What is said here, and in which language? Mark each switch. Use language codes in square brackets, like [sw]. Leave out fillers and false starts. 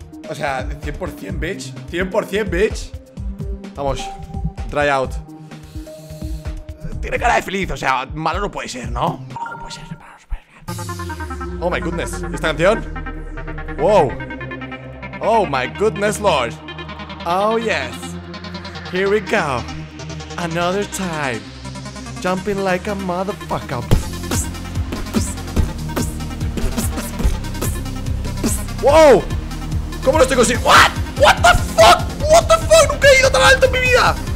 [es] O sea, [en] 100%, bitch. 100%, bitch. [es] Vamos, [en] try out. [es] Tiene cara de feliz, o sea, malo no puede ser, ¿no? Malo no puede ser, malo no puede ser. [en] Oh my goodness, [es] ¿esta canción? [en] Wow. Oh my goodness, Lord. Oh yes, here we go, another time, jumping like a motherfucker. Wow, [es] ¿cómo lo estoy consiguiendo? [en] What? What the fuck? What the fuck? [es] Nunca he ido tan alto en mi vida.